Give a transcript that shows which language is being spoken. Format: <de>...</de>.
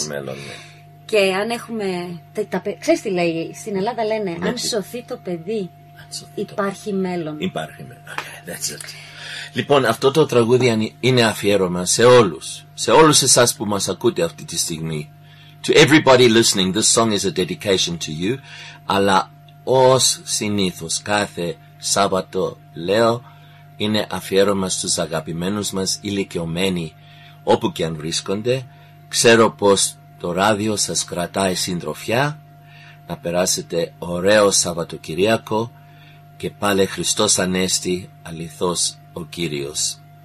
<el>Το μέλλον, ναι. Και αν έχουμε. Ξέρεις τι λέει, στην Ελλάδα λένε, αν σωθεί το παιδί, υπάρχει μέλλον. Υπάρχει μέλλον.</el> <en>Okay, that's it.</en> <el>Λοιπόν, αυτό το τραγούδι είναι αφιέρωμα σε όλους. Σε όλους εσάς που μας ακούτε αυτή τη στιγμή.</el> <en>To everybody listening, this song is a dedication to you.</en> <el>Αλλά ως συνήθως, κάθε Σάββατο, λέω, είναι αφιέρωμα στους αγαπημένους μας, ηλικιωμένοι, όπου και αν βρίσκονται. Ξέρω πως το ράδιο σας κρατάει συντροφιά. Να περάσετε ωραίο Σαββατοκυριακό και πάλι Χριστός Ανέστη, αληθώς ο Κύριος.</el>